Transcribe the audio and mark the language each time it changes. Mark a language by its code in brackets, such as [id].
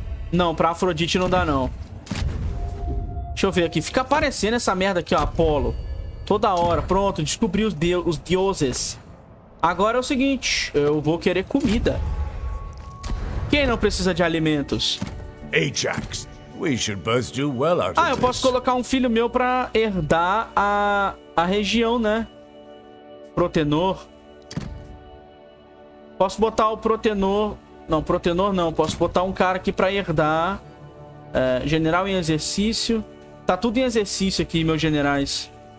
[pt] Não, pra Afrodite não dá, não. Deixa eu ver aqui. Fica aparecendo essa merda aqui, ó. Apolo. Toda hora. Pronto, descobri os deuses. Agora é o seguinte. Eu vou querer comida. Quem não precisa de alimentos? [en] Ajax, we should both do well out of this. [pt] Ah, eu posso colocar um filho meu pra herdar a região, né? Protenor. Posso botar o Protenor. Não, Protenor não. Posso botar um cara aqui pra herdar. General em exercício. Tá tudo em exercício aqui, meus generais.